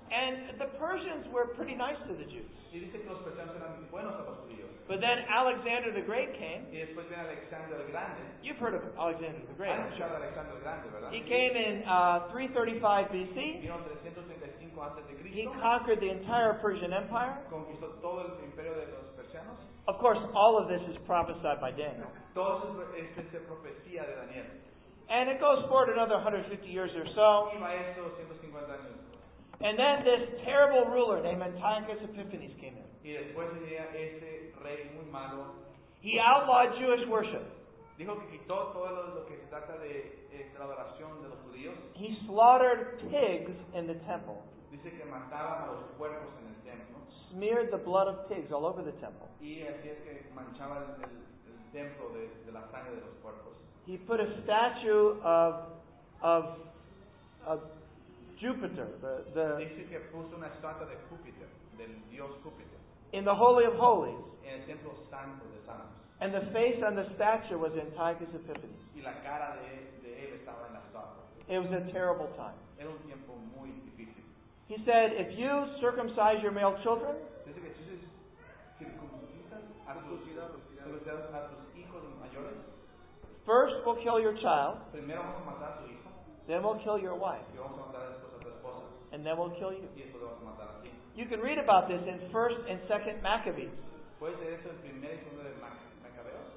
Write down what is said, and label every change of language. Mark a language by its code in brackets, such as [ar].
[en] And the Persians were pretty nice to the Jews. [es] Y dice que los persianos eran buenos a los judíos. [en] But then Alexander the Great came. [es] Y después viene Alexander el Grande. [en] You've heard of Alexander the Great. [es] Han escuchado a Alexander el Grande, ¿verdad? [en] He came in 335 BC. [es] Vino 335 antes de Cristo. [en] He conquered the entire Persian Empire. [es] Conquistó todo el imperio de los persianos. [en] Of course, all of this is prophesied by Daniel. [es] Todo eso es esta profecía de Daniel. [en] And it goes forward another 150 years or so. And then this terrible ruler named Antiochus Epiphanes came in. He outlawed Jewish worship. He slaughtered pigs in the temple. [es] Dice que mataban a los cuerpos en el templo. [en] Smeared the blood of pigs all over the temple. [es] Y así es que manchaba el templo de la sangre de los cuerpos. [en] He put a statue of Jupiter, [es] dice que puso una estatua de Júpiter, del dios Júpiter, [en] in the Holy of Holies. [es] En el templo santo de Santos. [en] And the face on the statue was Antiochus Epiphanes. [es] Y la cara de él estaba en la estatua. [en] It was a terrible time. [es] Era un tiempo muy difícil. [en] He said, if you circumcise your male children, [es] dice que si circuncidas a tus hijos mayores, [en] first we'll kill your child. [es] Primero vamos a matar a tu hijo. [en] Then we'll kill your wife. [es] Y vamos a matar a tu esposa. [en] And then we'll kill you. [es] Y eso lo vamos a matar a ti. [en] You can read about this in 1st and 2nd Maccabees. [es] ¿Puedes leer eso en primer y segundo de Maccabeos?